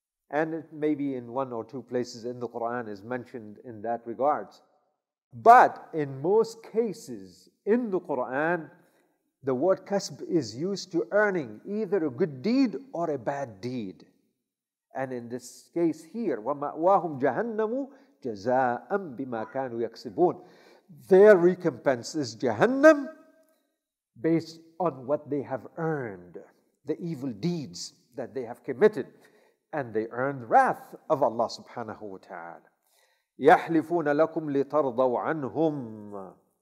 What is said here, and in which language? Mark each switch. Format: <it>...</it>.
<en>And it may be in one or two places in the Quran is mentioned in that regard. But in most cases in the Quran, The word kasb is used to earning either a good deed or a bad deed. And in this case here,</en> <ar>وَمَأْوَاهُمْ جَهَنَّمُ جَزَاءً بِمَا كَانُوا يَكْسِبُونَ.</ar> <en>Their recompense is Jahannam based on what they have earned, the evil deeds that they have committed. And they earned wrath of Allah subhanahu wa ta'ala.</en> <ar>يَحْلِفُونَ لَكُمْ لِتَرْضَوْ عَنْهُمْ.</ar>